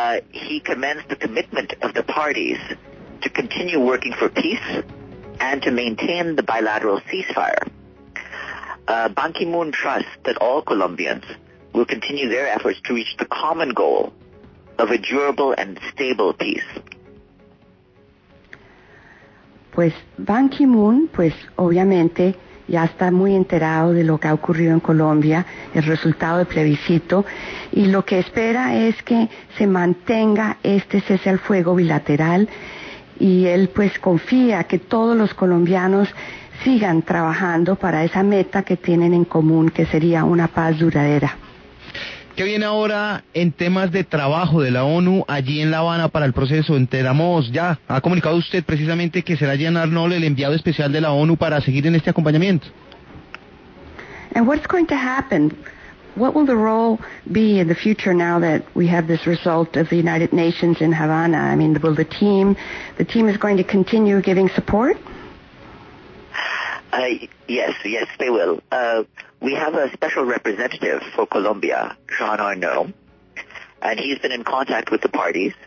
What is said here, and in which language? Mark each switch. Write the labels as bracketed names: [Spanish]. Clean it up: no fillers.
[English] He commends the commitment of the parties to continue working for peace and to maintain the bilateral ceasefire. Ban Ki-moon trusts that all Colombians will continue their efforts to reach the common goal of a durable and stable peace. [Spanish] Pues Ban Ki-moon, pues obviamente, ya está muy enterado de lo que ha ocurrido en Colombia, el resultado del plebiscito, y lo que espera es que se mantenga este cese al fuego bilateral, y él pues confía que todos los colombianos sigan trabajando para esa meta que tienen en común, que sería una paz duradera. ¿Qué viene ahora en temas de trabajo de la ONU allí en La Habana para el proceso? Enteramos, ya ha comunicado usted precisamente que será Jean Arnault el enviado especial de la ONU para seguir en este acompañamiento. [English] And what's going to happen? What will the role be in the future now that we have this result of the United Nations in Havana? I mean, will the team is going to continue giving support? Yes, they will. We have a special representative for Colombia, Jean Arnault, and he's been in contact with the parties.